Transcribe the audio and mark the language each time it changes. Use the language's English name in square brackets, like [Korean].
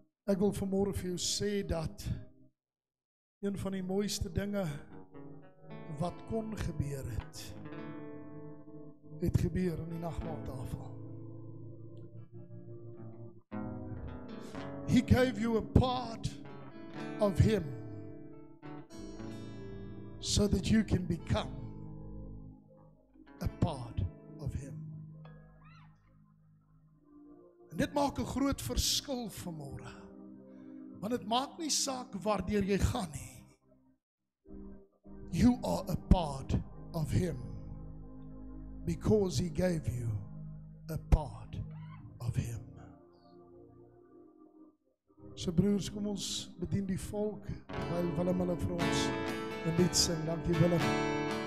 [Afrikaans] Ek wil vanmorgen vir jou sê dat een van die mooiste dinge wat kon gebeur het, het gebeur in die nagmaaltafel. [English] He gave you a part of him so that you can become a part of him. [Afrikaans] En dit maak 'n groot verskil vanmorgen. Want het maak nie saak waardeur jy gaan nie. [English] You are a part of him. Because he gave you a part of him. [Afrikaans] So broers, kom ons bedien die volk. Terwyl Willem hulle vir ons 'n lied sing. Dankie Willem.